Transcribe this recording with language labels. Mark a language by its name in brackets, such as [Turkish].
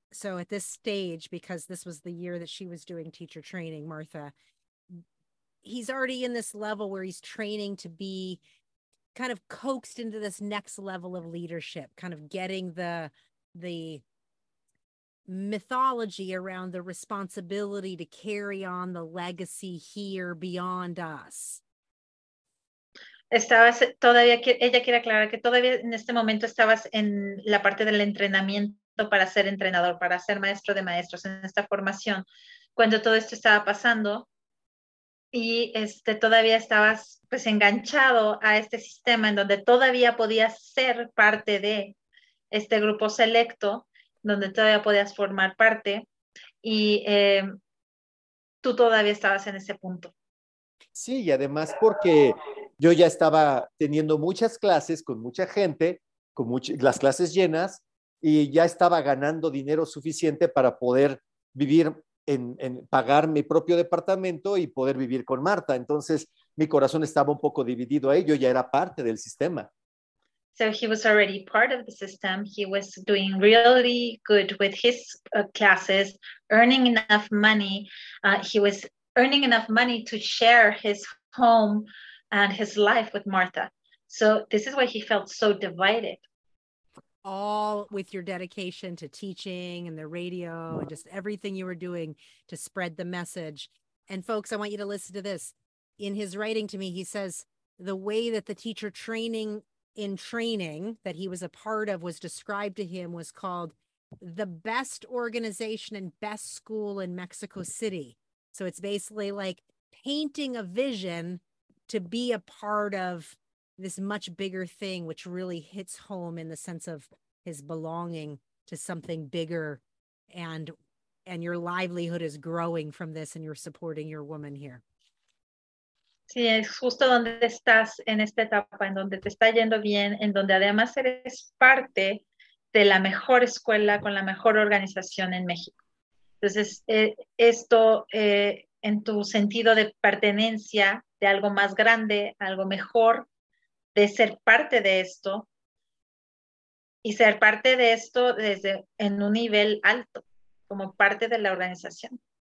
[English] So at this stage, because this was the year that she was doing teacher training, Martha, he's already in this level where he's training to be kind of coaxed into this next level of leadership, kind of getting the mythology around the responsibility to carry on the legacy here beyond us. [Spanish] Ella quiere aclarar que todavía en este momento estabas en la parte del entrenamiento para ser entrenador, para ser maestro de maestros en esta formación, cuando todo esto estaba pasando, y todavía estabas pues enganchado a este sistema en donde todavía podías ser parte de este grupo selecto, donde todavía podías formar parte, y tú todavía estabas en ese punto. Sí, y además porque yo ya estaba teniendo muchas clases con mucha gente, con las clases llenas, y ya estaba ganando dinero suficiente para poder vivir en pagar mi propio departamento y poder vivir con Marta. Entonces, mi corazón estaba un poco dividido ahí. Yo ya era parte del sistema. [English] So he was already part of the system. He was doing really good with his classes, earning enough money. He was earning enough money to share his home and his life with Martha. So this is why he felt so divided. All with your dedication to teaching and the radio and just everything you were doing to spread the message. And folks, I want you to listen to this. In his writing to me, he says, the way that the teacher training in training that he was a part of was described to him was called the best organization and best school in Mexico City. So it's basically like painting a vision to be a part of this much bigger thing, which really hits home in the sense of his belonging to something bigger, and your livelihood is growing from this, and you're supporting your woman here. [Spanish] Sí, es justo donde estás en esta etapa, en donde te está yendo bien, en donde además eres parte de la mejor escuela con la mejor organización en México. Entonces, en tu sentido de pertenencia, de algo más grande, algo mejor, de ser parte de esto, y ser parte de esto desde en un nivel alto, como parte de la organización.